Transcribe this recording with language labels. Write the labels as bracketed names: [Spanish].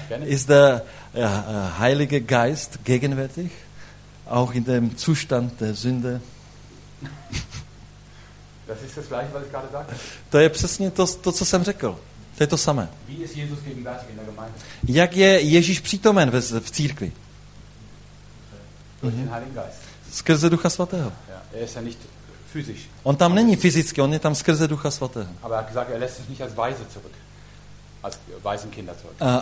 [German] Ist der Heilige Geist gegenwärtig? Auch in dem Zustand der Sünde. Das ist das gleiche, was ich gerade sagte. [Czech] To je přesně to, co jsem řekl. To je to samé. [German] Wie ist Jesus gegenwärtig in der Gemeinde? [Czech] Jak je Ježíš přítomen v církvi? [German] Durch den Heiligen Geist. [Czech] Skrze Ducha Svatého. [German] Ja, er ist ja nicht physisch. [Czech] On tam není fyzicky, on je tam skrze Ducha Svatého. [German] Aber er hat gesagt, er lässt sich nicht als Weise zurück. Als weisen Kinder zurück.